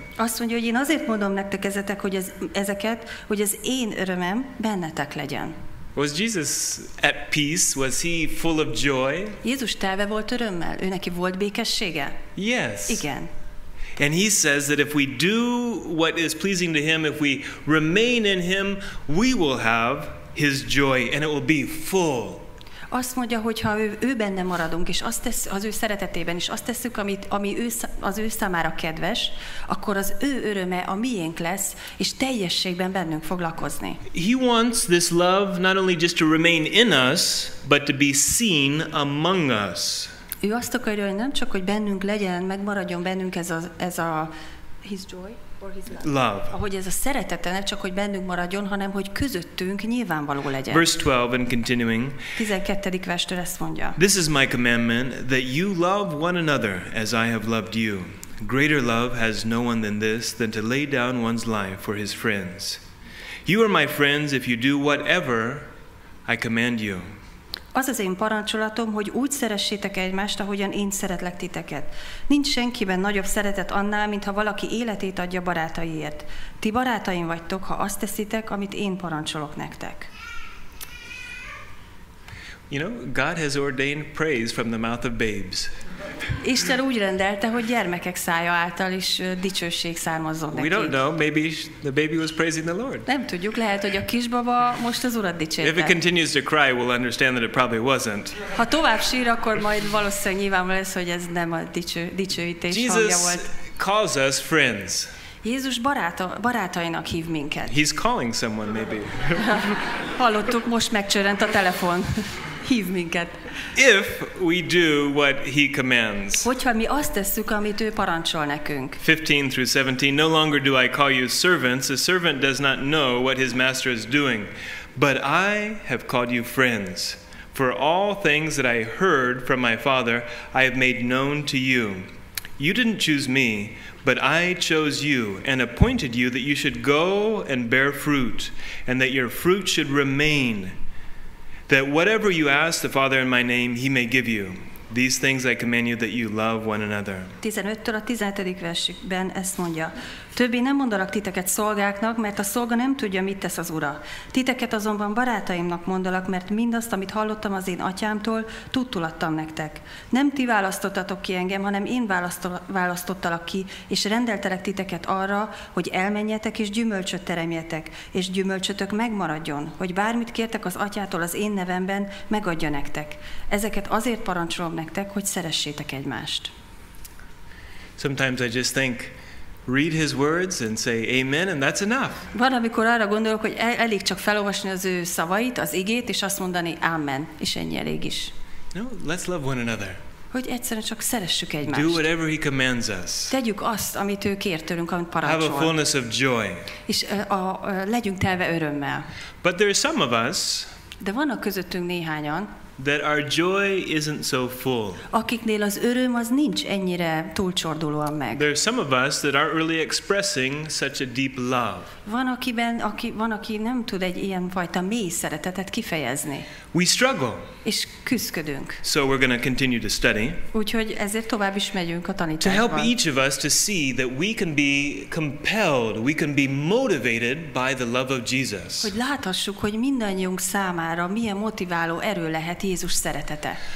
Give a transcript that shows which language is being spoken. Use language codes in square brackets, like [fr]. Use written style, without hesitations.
[hu] Azt mondja, hogy én azért mondom nektek ezetek, hogy ezeket, hogy az én örömem bennetek legyen. [en] Was Jesus at peace? Was he full of joy? [hu] Jézus telve volt örömmel. Ő neki volt békessége? [en] Yes. [hu] Igen. [en] And he says that if we do what is pleasing to him, if we remain in him, we will have his joy and it will be full. [hu] Azt mondja, hogy ha ő benne maradunk, és azt tesz, az ő szeretetében, és azt tesszük, az ő számára kedves, akkor az ő öröme a miénk lesz, és teljességben bennünk fog lakozni. [en] He wants this love not only just to remain in us, but to be seen among us. [hu] Ő azt akarja, hogy nem csak, hogy bennünk legyen, megmaradjon bennünk ez a [en] his joy. Love. [hu] Ahogy ez a szeretete, ne csak, hogy bennünk maradjon, hanem, hogy közöttünk nyilvánvaló legyen. [en] Verse 12 and continuing. [hu] 12. verstől ezt mondja. [en] This is my commandment, that you love one another as I have loved you. Greater love has no one than this, than to lay down one's life for his friends. You are my friends if you do whatever I command you. [hu] Az az én parancsolatom, hogy úgy szeressétek egymást, ahogyan én szeretlek titeket. Nincs senkiben nagyobb szeretet annál, mintha valaki életét adja barátaiért. Ti barátaim vagytok, ha azt teszitek, amit én parancsolok nektek. [en] You know, God has ordained praise from the mouth of babes. [hu] Isten úgy rendelte, hogy gyermekek szája által is dicsőség származzon neki. [en] We don't know, maybe the baby was praising the Lord. [hu] Nem tudjuk, lehet, hogy a kisbaba most az Urat dicsérte. [en] If it continues to cry, we'll understand that it probably wasn't. [hu] Ha tovább sír, akkor majd valószínűleg nyilvánvaló lesz, hogy ez nem a dicsőítés [en] Jesus [hu] hangja volt. [en] Jesus calls us friends. [hu] Jézus barátainak hív minket. [en] He's calling someone, maybe. [hu] Hallottuk, most megcsörrent a telefon. Hív minket. [en] If we do what he commands. [hu] Hogyha mi azt tesszük, amit ő parancsol nekünk. [en] 15 through 17. No longer do I call you servants. A servant does not know what his master is doing. But I have called you friends. For all things that I heard from my father, I have made known to you. You didn't choose me, but I chose you and appointed you that you should go and bear fruit, and that your fruit should remain, that whatever you ask the Father in my name, he may give you. These things I command you that you love one another. [hu] 15-től a 17. versükben ezt mondja. Többé nem mondalak titeket szolgáknak, mert a szolga nem tudja, mit tesz az ura. Titeket azonban barátaimnak mondalak, mert mindazt, amit hallottam az én atyámtól, tudtul adtam nektek. Nem ti választottatok ki engem, hanem én választottalak ki, és rendeltelek titeket arra, hogy elmenjetek és gyümölcsöt teremjetek, és gyümölcsötök megmaradjon, hogy bármit kértek az atyától az én nevemben, megadja nektek. Ezeket azért parancsolom nektek, hogy szeressétek egymást. [en] Sometimes I just think, read his words and say amen, and that's enough. [hu] Van, amikor arra gondolok, hogy elég csak felolvasni az ő szavait, az igét, és azt mondani amen, és ennyi elég is. [en] No, let's love one another. [hu] Hogy egyszerűen csak szeressük egymást. [en] Do whatever he commands us. [hu] Tegyük azt, amit ő kér tőlünk, amit parancsol. [en] Have a fullness of joy. [hu] És legyünk telve örömmel. [en] But there are some of us. [hu] De vannak közöttünk néhányan. [en] That our joy isn't so full. [hu] Akiknél az öröm az nincs ennyire túlcsordulóan meg. [en] There are some of us that aren't really expressing such a deep love. [hu] Van aki nem tud egy ilyen fajta mély szeretetet kifejezni. [en] We struggle. [hu] És küszködünk. [en] So we're going to continue to study. [hu] Úgyhogy ezért tovább is megyünk a tanításban. [en] To help each of us to see that we can be compelled, we can be motivated by the love of Jesus. [hu] Hogy láthassuk, hogy mindannyiunk számára milyen motiváló erő lehet Jézus szeretete.